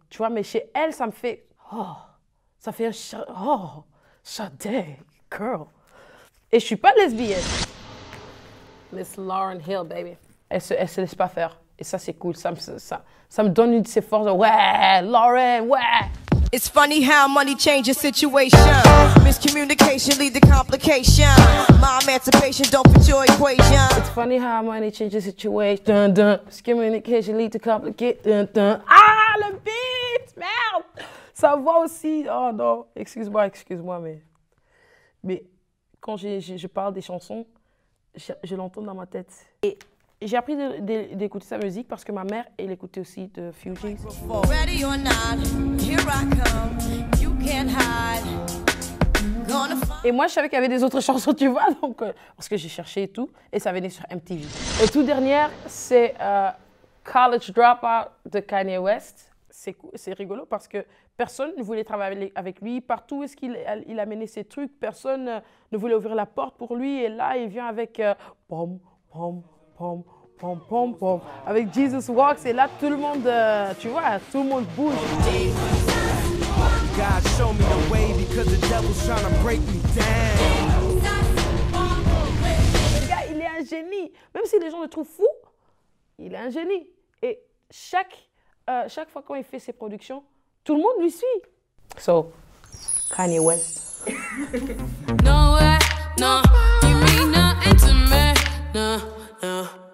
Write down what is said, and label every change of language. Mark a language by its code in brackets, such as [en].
[fr] Tu vois, mais chez elle, ça me fait... Oh, ça fait un... Oh, Sade, girl. Et je suis pas lesbienne. Miss Lauryn Hill, baby. Elle se laisse pas faire. Et ça, c'est cool. Ça me donne une de ses forces. Ouais, Lauryn, ouais. [en] It's funny how money changes situation. Miscommunication lead to complication. My emancipation don't fit your equation. It's funny how money changes situation. Dun, dun. Miscommunication lead to complication. [fr] Ah, le beat, merde. Ça va aussi. Oh non, excuse-moi, mais quand je parle des chansons, je l'entends dans ma tête. Et j'ai appris d'écouter sa musique parce que ma mère, elle écoutait aussi de Fugees. [en] Ready or not, here I come, you can't hide. Gonna find... [fr] Et moi, je savais qu'il y avait des autres chansons, tu vois, donc, parce que j'ai cherché et tout, et ça venait sur MTV. Et tout dernière, c'est College Dropout de Kanye West. C'est rigolo parce que personne ne voulait travailler avec lui. Partout où est-ce qu'il a mené ses trucs, personne ne voulait ouvrir la porte pour lui. Et là, il vient avec pom, pom. Pom, pom, pom, pom. Avec Jesus Walks, et là tout le monde, tu vois, tout le monde bouge. [en] God, show me the way because the devil's trying to break me down. [fr] Le gars, il est un génie. Même si les gens le trouvent fou, il est un génie. Et chaque fois quand il fait ses productions, tout le monde lui suit. [en] So, Kanye West. No way, no, you mean nothing to me, no.